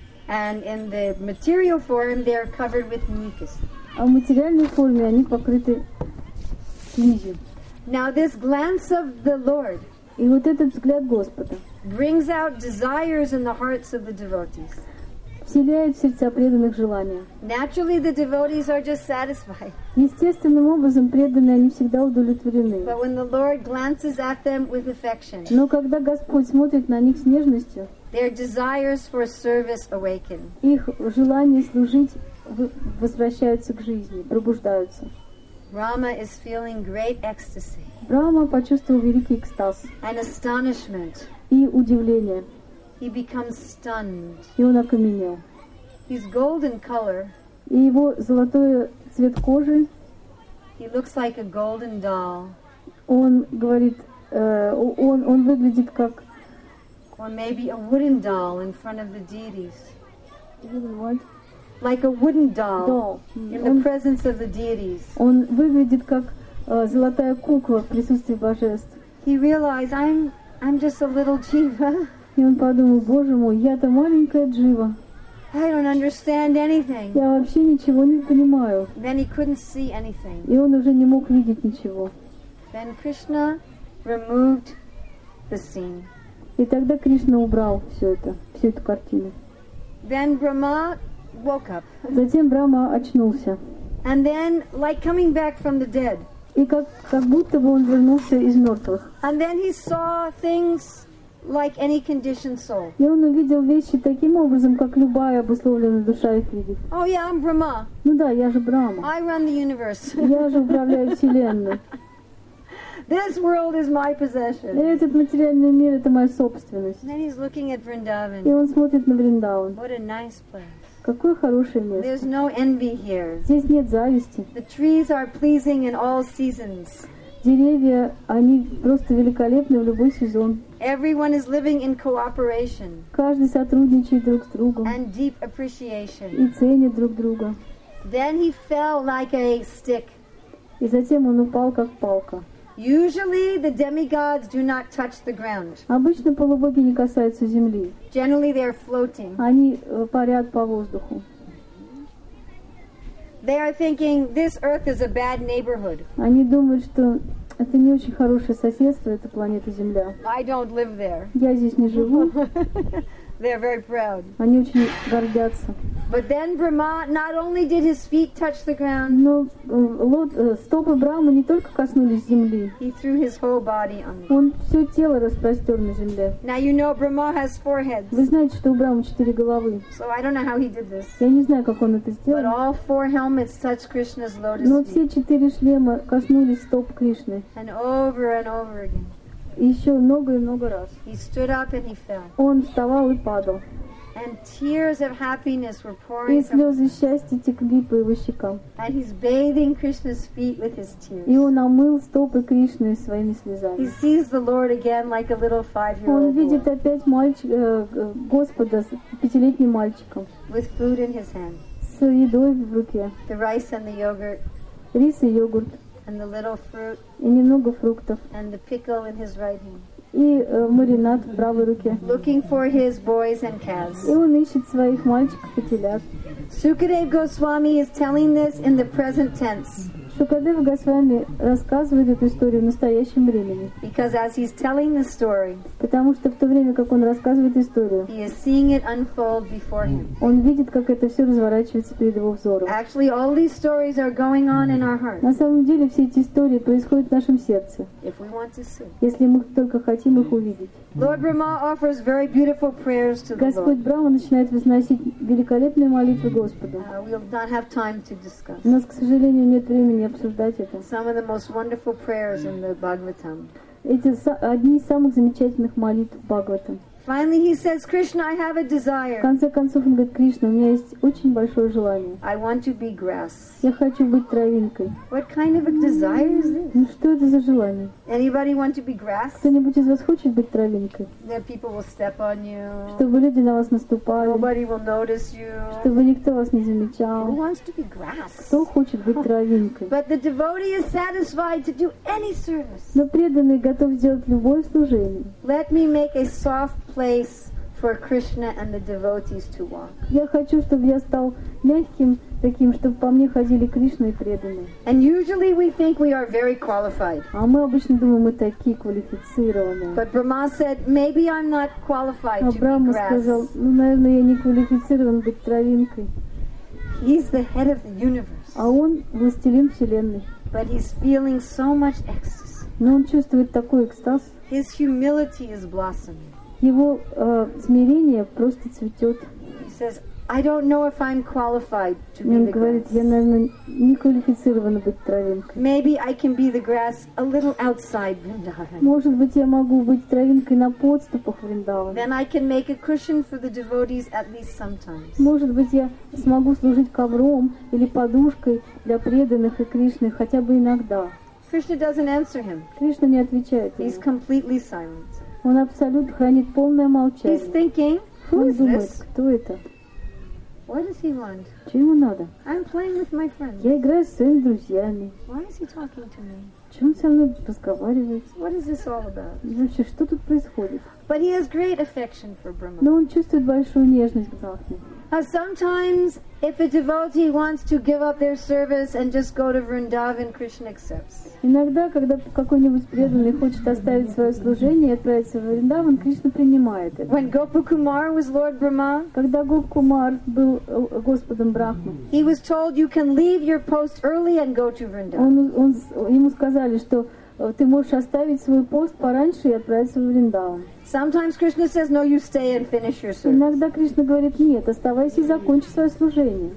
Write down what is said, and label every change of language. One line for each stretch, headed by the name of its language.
English: And in the material form, they are covered with mucus.
Russian: а в материальной форме они покрыты слизью.
English: Now this glance of the Lord.
Russian: И вот этот взгляд Господа.
English: Brings out desires in the hearts of the devotees.
Russian: Вселяет в сердца преданных желания.
English: Naturally, the devotees are just satisfied.
Russian: Естественным образом преданные они всегда удовлетворены.
English: But when the Lord glances at them with affection.
Russian: Но когда Господь смотрит на них с нежностью.
English: Their desires for service awaken.
Russian: Их желание служить возвращаются к жизни, пробуждаются.
English: Rama is feeling great ecstasy.
Russian: Рама почувствовал великий экстаз.
English: And astonishment.
Russian: И удивление.
English: He becomes stunned.
Russian: И он окаменел.
English: His golden color.
Russian: И его золотой цвет кожи.
English: He looks like a golden doll.
Russian: Он говорит, он выглядит как.
English: Or maybe a wooden doll in front of the deities. What? Like a wooden doll. Doll. In the presence of the deities.
Russian: Он выглядит как золотая кукла в присутствии божеств.
English: He realized I'm just a little jiva.
Russian: И он подумал, Боже мой, я-то маленькая джива.
English: I don't understand anything.
Russian: Я вообще ничего не понимаю.
English: Then he couldn't see anything.
Russian: И он уже не мог видеть ничего.
English: Then Krishna removed the scene.
Russian: И тогда Кришна убрал все это, всю эту картину.
English: Then Brahma woke up.
Russian: Затем Брахма очнулся.
English: And then, like coming back from the dead.
Russian: И как будто бы он вернулся из мертвых.
English: And then he saw things like any conditioned soul.
Russian: И он увидел вещи таким образом, как любая обусловленная душа их видит.
English: Oh yeah, I'm Brahma.
Russian: Ну да, я же Брахма.
English: I run the universe.
Russian: Я же управляю вселенной.
English: This world is my possession.
Russian: И этот материальный мир это моя собственность.
English: And then he's looking at Vrindavan.
Russian: И он смотрит на Вриндаван.
English: What a nice place.
Russian: Какое хорошее место.
English: There's no envy here.
Russian: Здесь нет зависти.
English: The trees are pleasing in all seasons.
Russian: Деревья, они просто великолепны в любой сезон.
English: Everyone is living in cooperation.
Russian: Каждый сотрудничает друг с другом.
English: And deep appreciation.
Russian: И ценит друг друга.
English: Then he fell like a stick.
Russian: И затем он упал как палка.
English: Usually the demigods do not touch the ground.
Russian: Обычно полубоги не касаются земли.
English: Generally they are floating.
Russian: Они парят по воздуху.
English: They are thinking this earth is a bad neighborhood.
Russian: Они думают, что это не очень хорошее соседство, эта планета Земля.
English: I don't live there.
Russian: Я здесь не живу.
English: They are very proud.
Russian: Они очень гордятся.
English: But then Brahma not only did his feet touch the ground.
Russian: Но стопы Брахмы не только коснулись земли.
English: He threw his whole body on the ground.
Russian: Он все тело распростер на земле.
English: Now you know Brahma has four heads.
Russian: Вы знаете, что у Брахмы четыре головы.
English: So I don't know how he did this.
Russian: Я не знаю, как он это сделал.
English: But all four helmets touched Krishna's lotus feet.
Russian: Но все четыре шлема коснулись стоп Кришны.
English: And over and over again.
Russian: Еще много и много раз.
English: He stood up and he fell.
Russian: Он вставал и падал.
English: And tears of happiness were pouring.
Russian: И слезы счастья текли по его щекам.
English: And he's bathing Krishna's feet with his tears.
Russian: И он омыл стопы Кришны своими слезами.
English: He sees the Lord again like a little five-year-old.
Russian: Он видит опять Господа с пятилетним мальчиком.
English: With food in his hand.
Russian: С едой в руке.
English: The rice and the yogurt.
Russian: Рис и йогурт.
English: And the little fruit.
Russian: И немного фруктов.
English: And the pickle in his right hand.
Russian: И маринад в правой руке.
English: Looking for his boys and calves.
Russian: И он ищет своих мальчиков и телят.
English: Sukadeva Goswami is telling this in the present tense.
Russian: Sukadeva Goswami рассказывает эту историю в настоящем времени.
English: Because as he's telling the story.
Russian: Потому что в то время, как он рассказывает историю.
English: He is seeing it unfold before him.
Russian: Он видит, как это все разворачивается перед его взором.
English: Actually, all these stories are going on in our heart.
Russian: На самом деле, все эти истории происходят в нашем сердце.
English: If we want to see.
Russian: Если мы только хотим их увидеть.
English: Lord Brahma offers very beautiful prayers to the Lord.
Russian: Господь Брахма начинает возносить великолепные молитвы Господу.
English: We will not have time to discuss.
Russian: У нас, к сожалению, нет времени обсуждать это.
English: Some of the most wonderful prayers in the Bhagavatam.
Russian: Эти одни из самых замечательных молитв Бхагаватам.
English: Finally, he says, "Krishna, I have a desire."
Russian: В конце концов, он говорит, Кришна, у меня есть очень большое желание.
English: I want to be grass.
Russian: Я хочу быть травинкой.
English: What kind of a desire is this?
Russian: Ну что это за желание?
English: Anybody want to be grass?
Russian: Кто-нибудь из вас хочет быть травинкой?
English: That people will step on you.
Russian: Чтобы люди на вас наступали.
English: Nobody will notice you.
Russian: Чтобы никто вас не замечал.
English: Who wants to be grass?
Russian: Кто хочет быть травинкой?
English: But the devotee is satisfied to do any service.
Russian: Но преданный готов сделать любое служение.
English: Let me make a soft place. for Krishna and the devotees to walk.
Russian: Я хочу, чтобы я стал мягким таким, чтобы по мне ходили Кришна и преданные.
English: And usually we think we are very qualified.
Russian: А мы обычно думаем, мы такие квалифицированные.
English: But Brahma said, maybe I'm not qualified to be grass.
Russian: Брахма сказал, ну, наверное, я не квалифицирован быть травинкой.
English: He's the head of the universe.
Russian: А он властелин вселенной.
English: But he's feeling so much ecstasy.
Russian: Но он чувствует такой экстаз.
English: His humility is blossoming.
Russian: Его смирение просто цветет.
English: He says, I don't know if I'm qualified to be the grass.
Russian: Он говорит, я, наверное, не квалифицирован быть травинкой.
English: Maybe I can be the grass a little outside Vrindavan.
Russian: Может быть, я могу быть травинкой на подступах Вриндавана.
English: Then I can make a cushion for the devotees at least sometimes.
Russian: Может быть, я смогу служить ковром или подушкой для преданных и Кришны хотя бы иногда.
English: Krishna doesn't answer him.
Russian: Кришна не отвечает ему.
English: He's completely silent.
Russian: Он абсолютно хранит полное молчание.
English: He's thinking, who is
Russian: думает,
English: this?
Russian: Кто это?
English: What does he want?
Russian: Что ему надо?
English: I'm playing with my friends.
Russian: Я играю с своими друзьями.
English: Why is he talking to me?
Russian: Чем он со мной разговаривает?
English: What is this all about?
Russian: Вообще, что тут происходит?
English: But he has great affection for Brahma.
Russian: Но он чувствует большую нежность к Брахме.
English: Sometimes, if a devotee wants to give up their service and just go to Vrindavan, Krishna accepts.
Russian: Иногда, когда какой-нибудь преданный хочет оставить свое служение и отправиться в Вриндаван, Кришна принимает это.
English: When Gopakumar was Lord Brahma,
Russian: когда Гопакумар был господом Брахмы,
English: he was told you can leave your post early and go to Vrindavan.
Russian: Ему сказали, что ты можешь оставить свой пост пораньше и отправиться в Вриндаван.
English: Sometimes Krishna says, "No, you stay and finish your service."
Russian: Иногда Кришна говорит, нет, оставайся и закончи свое служение.